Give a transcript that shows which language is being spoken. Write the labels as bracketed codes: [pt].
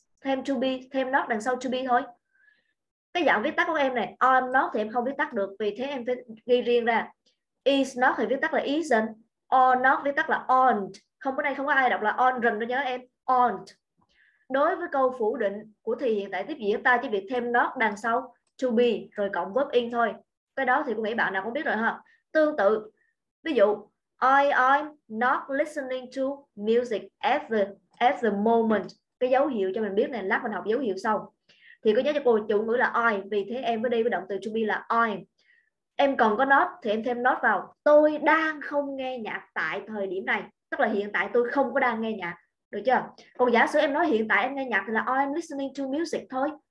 [vi] thêm to be, thêm not đằng sau to be thôi. Cái dạng viết tắt của em này, I'm not thì em không viết tắt được, vì thế em phải ghi riêng ra. Is not thì viết tắt là isn't, or not viết tắt là aren't. Không, bữa nay không có ai đọc là aren't đâu nhớ em, aren't. Đối với câu phủ định của thì hiện tại tiếp diễn, ta chỉ việc thêm not đằng sau to be rồi cộng verb in thôi. Cái đó thì cũng nghĩ bạn nào cũng biết rồi ha. Tương tự, ví dụ [en] I'm not listening to music at the moment. [vi] Cái dấu hiệu cho mình biết này, lát mình học dấu hiệu sau. Thì có nhớ cho cô chủ ngữ là I, vì thế em mới đi với động từ to be là I. Em còn có not thì em thêm not vào. Tôi đang không nghe nhạc tại thời điểm này. Tức là hiện tại tôi không có đang nghe nhạc. Được chưa? Còn giả sử em nói hiện tại em nghe nhạc thì là [en] I'm listening to music [vi] thôi.